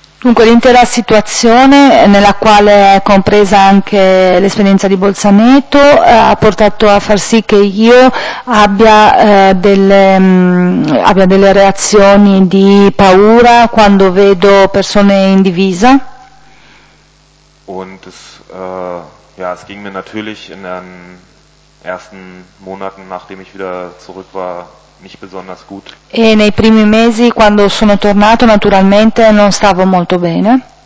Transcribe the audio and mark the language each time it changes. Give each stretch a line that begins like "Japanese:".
Italian: Dunque l'intera situazione, nella quale è compresa anche l'esperienza di Bolzaneto, ha portato a far sì che io abbia delle reazioni di paura quando vedo persone in divisa.
German: Und es ging mir natürlich in den ersten Monaten, nachdem ich wieder zurück war, nicht besonders gut.
Italian: E nei primi mesi, quando sono tornato, naturalmente non stavo molto bene.